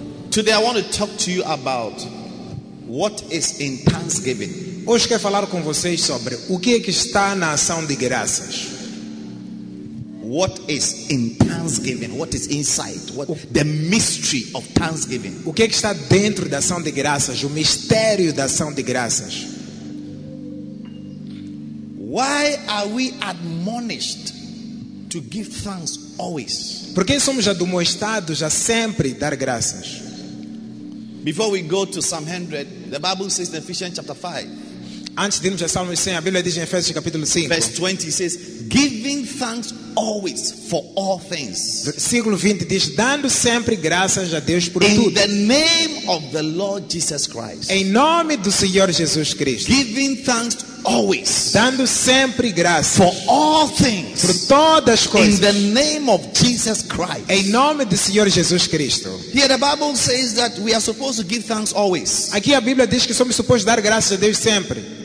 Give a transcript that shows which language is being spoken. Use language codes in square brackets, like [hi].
[en] Today I want to talk to you about what is in thanksgiving. [pt] Hoje quero falar com vocês sobre o que é que está na ação de graças. [en] What is in thanksgiving? What is inside? What the mystery of thanksgiving? [pt] O que é que está dentro da ação de graças? O mistério da ação de graças. [en] Why are we admonished to give thanks always? [pt] Por que somos admoestados a sempre dar graças? [en] Before we go to Psalm 100, the Bible says in Ephesians chapter 5. [pt] Antes de irmos a Salmo 100, a Bíblia diz em Efésios capítulo 5. [en] Verse 20 says, giving thanks always for all things. [pt] Versículo 20 diz, dando sempre graças a Deus por [en] in [pt] tudo. [en] In the name of the Lord Jesus Christ. [pt] Em nome do Senhor Jesus Cristo. [en] Giving thanks always. [pt] Dando sempre graças. [en] For all things. [pt] Por todas as coisas. [en] In the name of Jesus Christ. [pt] Em nome do Senhor Jesus Cristo. [en] Here the Bible says that we are supposed to give thanks always. [pt] Aqui a Bíblia diz que somos supostos dar graças a Deus sempre.